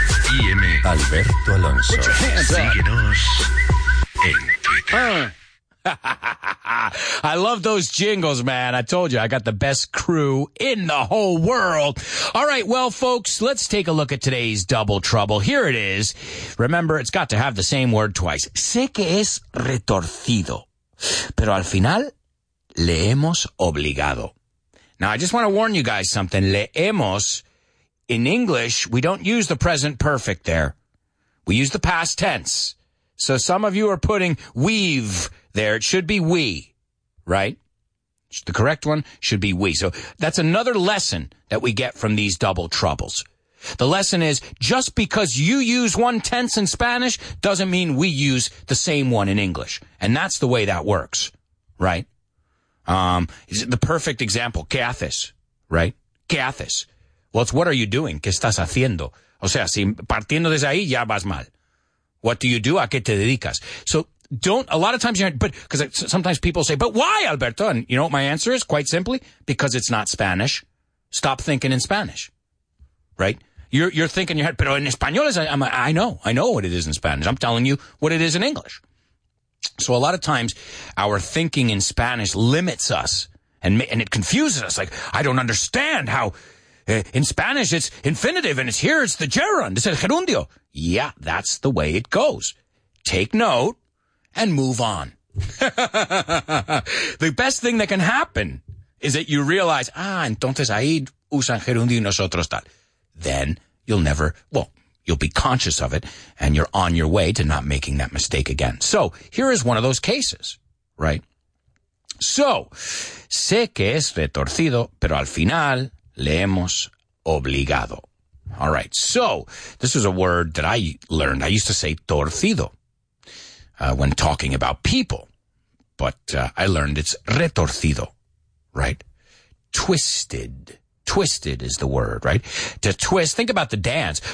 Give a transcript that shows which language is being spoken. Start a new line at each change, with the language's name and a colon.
Spanish: @IM Alberto Alonso. Síguenos en Twitter.
English: I love those jingles, man. I told you I got the best crew in the whole world. All right. Well, folks, let's take a look at today's Double Trouble. Here it is. Remember, it's got to have the same word twice.
Spanish: Sé que es retorcido, pero al final le hemos obligado.
English: Now, I just want to warn you guys something. Le hemos, in English, we don't use the present perfect there. We use the past tense. So some of you are putting we've there. It should be we, right? The correct one should be we. So that's another lesson that we get from these Double Troubles. The lesson is just because you use one tense in Spanish doesn't mean we use the same one in English. And that's the way that works, right? Is it the perfect example?
Spanish: ¿Qué haces?
English: Right? ¿Qué haces? Well, it's what are you doing?
Spanish: ¿Qué estás haciendo? O sea, si partiendo desde ahí, ya vas mal.
English: What do you do?
Spanish: ¿A qué te dedicas?
English: So don't, a lot of times, because sometimes people say, but why, Alberto? And you know what my answer is? Quite simply, because it's not Spanish. Stop thinking in Spanish. Right? You're thinking in your head,
Spanish: pero en español es,
English: I know what it is in Spanish. I'm telling you what it is in English. So a lot of times our thinking in Spanish limits us and it confuses us. Like, I don't understand how In Spanish, it's infinitive, and it's here, it's the gerund, it's el gerundio. Yeah, that's the way it goes. Take note and move on. The best thing that can happen is that you realize,
Spanish: entonces ahí usan gerundio y nosotros tal.
English: Then you'll never, well, you'll be conscious of it, and you're on your way to not making that mistake again. So here is one of those cases, right?
Spanish: So, sé que es retorcido, pero al final le hemos obligado.
English: All right, so this is a word that I learned. I used to say torcido when talking about people, but I learned it's retorcido, right? Twisted. Twisted is the word, right? To twist. Think about the dance.